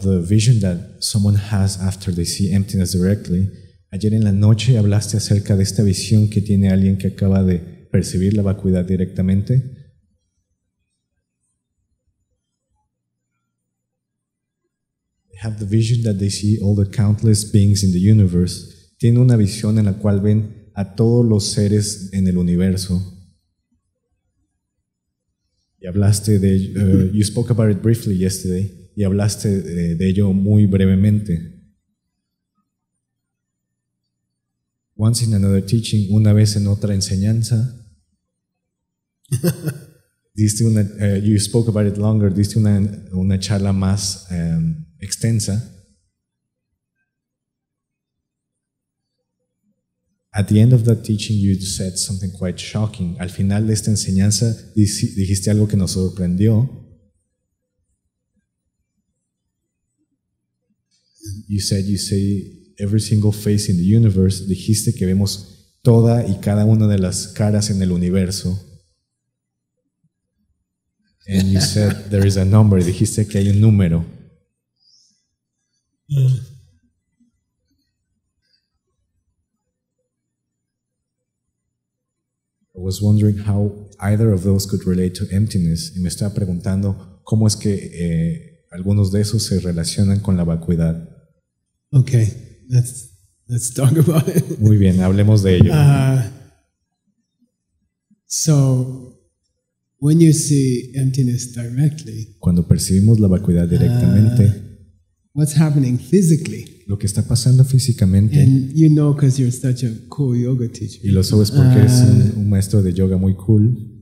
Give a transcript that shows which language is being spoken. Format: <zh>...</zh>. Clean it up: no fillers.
<en>the vision that someone has after they see emptiness directly.</en> <es>Ayer en la noche hablaste acerca de esta visión que tiene alguien que acaba de percibir la vacuidad directamente.</es> <en>They have the vision that they see all the countless beings in the universe.</en> <es>Tiene una visión en la cual ven a todos los seres en el universo. Y hablaste de</es> <en>you spoke about it briefly yesterday.</en> <es>Y hablaste de ello muy brevemente.</es> <en>Once in another teaching,</en> <es>una vez en otra enseñanza, diste una</es> <en>you spoke about it longer.</en> <es>Diste una charla más extensa.</es> <en>At the end of that teaching, you said something quite shocking.</en> <es>Al final de esta enseñanza, dijiste algo que nos sorprendió.</es> <en>You said you see every single face in the universe.</en> <es>Dijiste que vemos toda y cada una de las caras en el universo.</es> <en>And you said there is a number.</en> <es>Dijiste que hay un número.</es> <en>I was wondering how either of those could relate to emptiness.</en> <es>Y me estaba preguntando cómo es que algunos de esos se relacionan con la vacuidad.</es> <en>Okay, let's talk about it.</en> <es>Muy bien, hablemos de ello.</es> <en>So when you see emptiness directly,</en> <es>cuando percibimos la vacuidad directamente,</es> <en>what's happening physically?</en> <es>Lo que está pasando físicamente.</es> <en>And you know, because you're such a cool yoga teacher.</en> <es>Y lo sabes porque eres un maestro de yoga muy cool.</es>